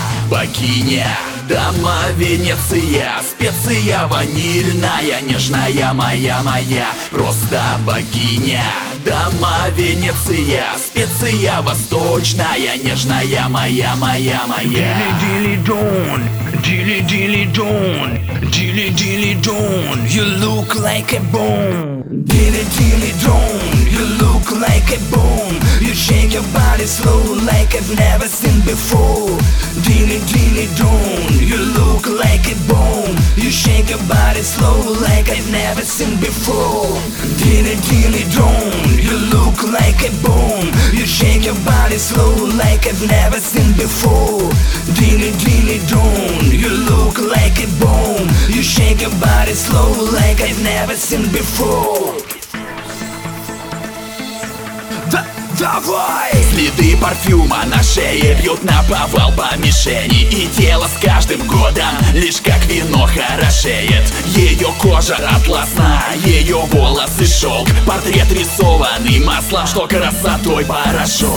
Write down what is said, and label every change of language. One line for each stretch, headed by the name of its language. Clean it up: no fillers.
Russian: Богиня, дама Венеция, специя ванильная, нежная моя. Просто богиня, дама Венеция, специя восточная, нежная моя.
English: Дили-дили-дон, дили-дили-дон, дили-дили-дон, you look like a bomb. Дили-дили-дон, you look like a bomb. You shake your body slow like I've never seen before. Дили-дили-дон, you look like a bomb. You shake your body slow like I've never seen before. Дили-дили-дон, you look like a bomb. You shake your body slow like I've never seen before. Дили-дили-дон, you look like a bomb. You shake your body slow like I've never seen before.
Russian: Давай! Следы парфюма на шее бьют наповал по мишени. И тело с каждым годом лишь как вино хорошеет. Ее кожа атласна, ее волосы шелк. Портрет рисованный маслом, что красотой порошок.